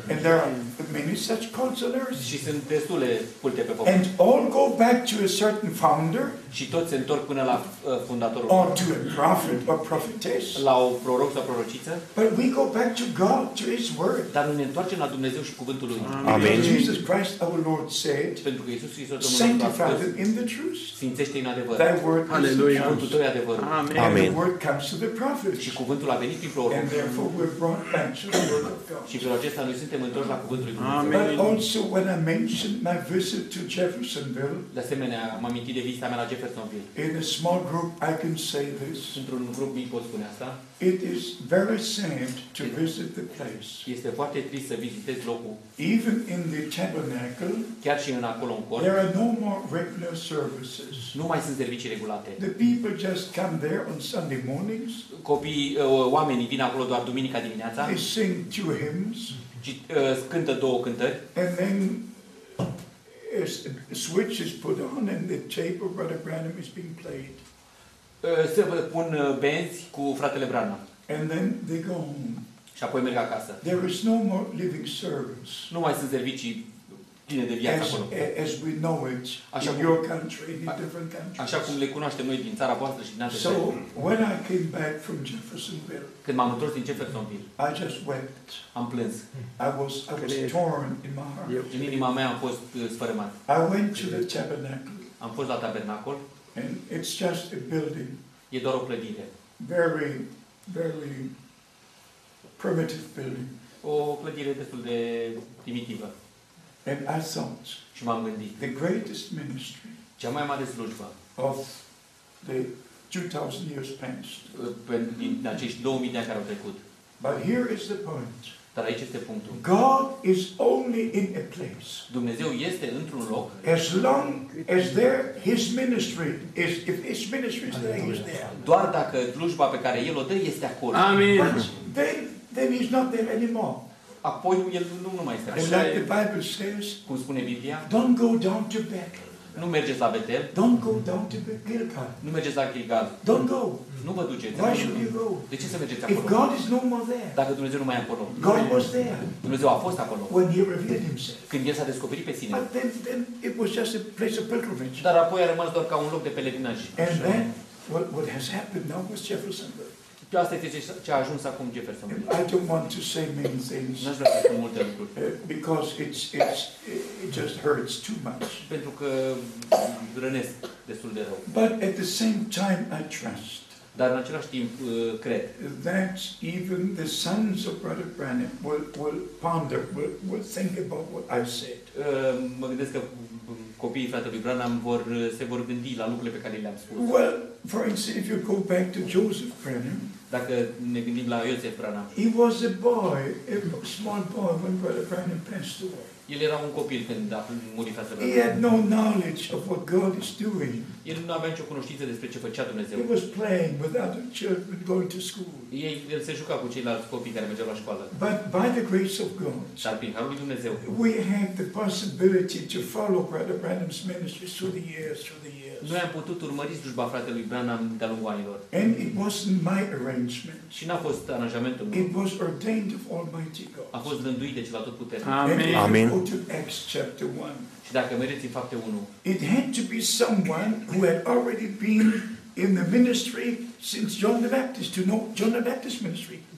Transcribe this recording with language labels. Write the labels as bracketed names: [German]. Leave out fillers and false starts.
[English] And there are many such cults on earth. [Romanian] Și sunt destule culte pe pământ. [English] And all go back to a certain founder. [Romanian] Și toți se întorc până la fundatorul. [English] Or to a prophet or prophetess. [Romanian] La un proroc sau prorociță. [English] We go back to God, to His Word. [Romanian] Dar ne întoarcem la Dumnezeu și cuvântul Lui. Amen. [English] Jesus Christ, our Lord, said. [Romanian] Pentru că Iisus Hristos, Domnul nostru, a spus. [English] Sanctify them in the truth. [Romanian] Sfințește-i în adevăr. [English] Thy word is [Romanian] cuvântul tău e adevăr. Amen. Amen. [English] The word comes to the prophets. [Romanian] Și cuvântul a venit prin proroc. [English] And therefore we're brought back to the Word of God. [Romanian] Și prin acesta noi suntem întorși la cuvântul Lui. Amen. [English] But also when I mentioned my visit to Jeffersonville. [Romanian] De asemenea, m-am amintit de vizita mea la Jeffersonville. [English] In a small group, I can say this. [Romanian] Într-un grup mic pot spune asta. [English] It is very sad to visit the place. [Romanian] Este foarte trist să vizitez locul. [English] Even in the tabernacle, [Romanian] chiar și în acolo în cort, [English] there are no more regular services. [Romanian] Nu mai sunt servicii regulate. [English] The people just come there on Sunday mornings. [Romanian] Oamenii vin acolo doar duminica dimineața. [English] They sing two hymns. [Romanian] Cântă două cântări. [English] And then a switch is put on and the tape of Brother Branham is being played. [Romanian] Se pun benzi cu fratele Branham. [English] And then they go home. [Romanian] Și apoi merg acasă. [English] There is no more living service. [Romanian] Nu mai sunt servicii pline de viață acolo. [English] As we know it, așa in your country, in different countries. [Romanian] Așa cum le cunoaștem noi din țara voastră și din alte [English] țări. So when I came back from Jeffersonville. [Romanian] Când m-am întors din Jeffersonville. [English] I just wept. [Romanian] Am plâns. [English] I was torn in my heart. [Romanian] În inima mea am fost sfărâmat. [English] I went to the tabernacle. [Romanian] Am fost la tabernacol. [English] And it's just a building. [Romanian] E doar o clădire. [English] Very, very primitive building. [Romanian] O clădire destul de primitivă. [English] And I thought. [Romanian] Și m-am gândit. [English] The greatest ministry. [Romanian] Cea mai mare slujbă. [English] Of the 2,000 years past. [Romanian] Din acești 2000 de ani care au trecut. [English] But here is the point. [Romanian] Dar aici este punctul. [English] God is only in a place. [Romanian] Dumnezeu este într-un loc. [English] As long as there his ministry is, if his ministry is there, he's there. [Romanian] Doar dacă slujba pe care el o dă este acolo. Amen. [English] Then he's not there anymore. [Romanian] Apoi el nu mai este acolo. [English] Like the Bible says, [Romanian] cum spune Biblia, [English] don't go down to Bethel. [Romanian] Nu mergeți la Betel. [English] Don't go down to Gilgal. [Romanian] Nu mergeți la Gilgal. [English] Don't go. [Romanian] Nu vă duceți. [English] Why should you go? [Romanian] De ce să mergeți acolo? [English] If God is no more there. [Romanian] Dacă Dumnezeu nu mai e acolo. [English] God was there. [Romanian] Dumnezeu a fost acolo. [English] When he revealed himself. [Romanian] Când el s-a descoperit pe sine. [English] But then it was just a place of pilgrimage. [Romanian] Dar apoi a rămas doar ca un loc de pelerinaj. [English] And then what has happened now was Jeffersonville. [Romanian] Și asta este ce a ajuns acum Jeffersonville. [English] I don't want to say many things. [Romanian] N-aș vrea să spun multe lucruri. [English] Because it just hurts too much. [Romanian] Pentru că rănesc destul de rău. [English] But at the same time I trust. [Romanian] Dar în același timp cred. [English] That even the sons of Brother Branham will ponder, will think about what I said. [Romanian] Mă gândesc că copiii fratelui Branham se vor gândi la lucrurile pe care le-am spus. [English] Well, for instance, if you go back to Joseph Branham. [Romanian] Dacă ne gândim la Iosef Branham. [English] He was a boy, a small boy when Brother Branham passed away. [Romanian] El era un copil când a murit fratele. [English] He had no knowledge of what God is doing. [Romanian] El nu avea nicio cunoștință despre ce făcea Dumnezeu. [English] He was playing with other children going to school. [Romanian] El se juca cu ceilalți copii care mergeau la școală. [English] But by the grace of God. [Romanian] Dar prin harul lui Dumnezeu. [English] We had the possibility to follow Brother Branham's ministry through the years. [Romanian] Noi am putut urmări slujba fratelui Branham de-a lungul anilor. [English] And it wasn't my arrangement. [Romanian] Și n-a fost aranjamentul meu. [English] It was ordained of Almighty God. [Romanian] A fost rânduit de ceva tot puternic. Amen. [English] Go to Acts chapter 1. [Romanian] Și dacă mergeți în fapte 1. [English] It had to be someone who had already been in the ministry since John the Baptist, to know John the Baptist ministry.